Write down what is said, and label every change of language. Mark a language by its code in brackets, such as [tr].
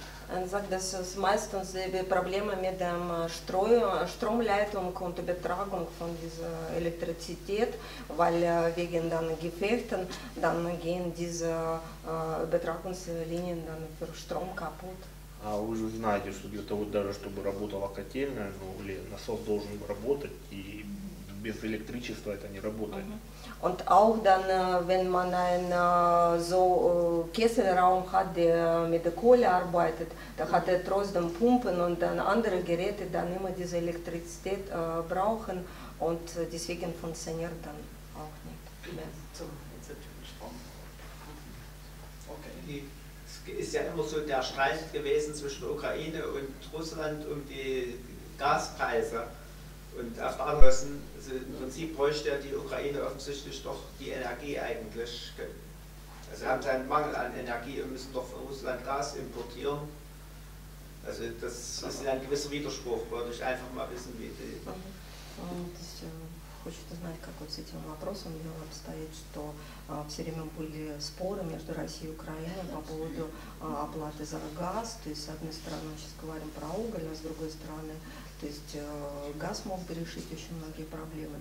[de] Meistens die Probleme mit dem Stromleitung und Übertragung von dieser Elektrizität, weil wegen den Gefechten dann gehen diese Übertragungslinien dann für Strom kaputt. [ru] А вы же знаете, что для того, даже чтобы работала котельная, ну, или насос должен работать, и без электричества это не работает. [de] Und auch dann, wenn man einen so Kesselraum hat, der mit der Kohle arbeitet, da hat er trotzdem Pumpen und dann andere Geräte, dann immer diese Elektrizität brauchen und deswegen funktioniert dann auch nicht mehr. Okay. Ist ja immer so der Streit gewesen zwischen Ukraine und Russland um die Gaspreise. Und erfahren wir, im Prinzip bräuchte die Ukraine offensichtlich doch die Energie eigentlich. Also sie haben einen Mangel an Energie und müssen doch von Russland Gas importieren. Also das ist ja ein gewisser Widerspruch, wollte ich einfach mal wissen, wie die. [ru] Хочет узнать, как вот с этим вопросом дело обстоит, что все время были споры между Россией и Украиной по поводу оплаты за газ. То есть, с одной стороны, мы сейчас говорим про уголь, а с другой стороны, то есть газ мог бы решить очень многие проблемы.